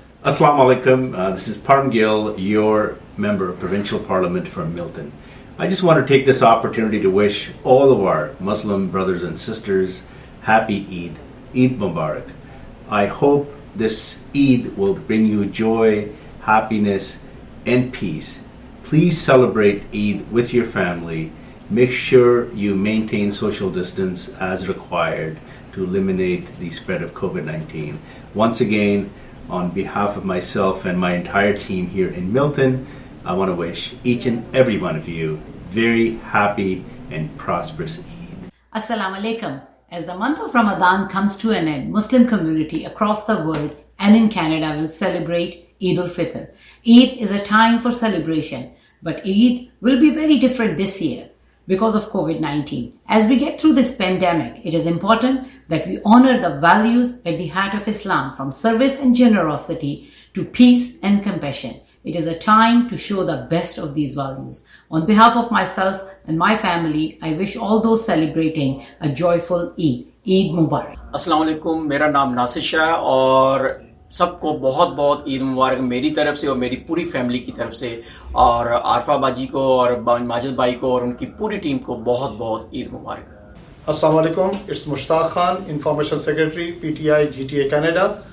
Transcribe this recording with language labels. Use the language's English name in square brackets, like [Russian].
[English] अस्सलाम वालेकुम, this is Param Gill, your member of provincial parliament from Milton. I just want to take this opportunity to wish all of our Muslim brothers and sisters happy Eid, Eid मुबारक। I hope this Eid will bring you joy, happiness and peace. Please celebrate Eid with your family. Make sure you maintain social distance as required to eliminate the spread of COVID-19. Once again, on behalf of myself and my entire team here in Milton, I want to wish each and every one of you very happy and prosperous Eid. Assalamu alaikum. As the month of Ramadan comes to an end, Muslim community across the world and in Canada will celebrate Eid al-Fitr. Eid is a time for celebration. But Eid will be very different this year because of COVID-19. As we get through this pandemic, it is important that we honor the values at the heart of Islam, from service and generosity to peace and compassion. It is a time to show the best of these values. On behalf of myself and my family, I wish all those celebrating a joyful Eid. Eid Mubarak. [Hindi] Assalamu alaikum, mera naam Nasir Shah, aur सबको बहुत बहुत ईद मुबारक मेरी तरफ से और मेरी पूरी family की तरफ से, और आरफा बाजी को और माजिद भाई को और उनकी पूरी टीम को बहुत बहुत ईद मुबारक। [English] अस्सलाम वालेकुम, it's Mushtaq Khan, information secretary PTI GTA Canada.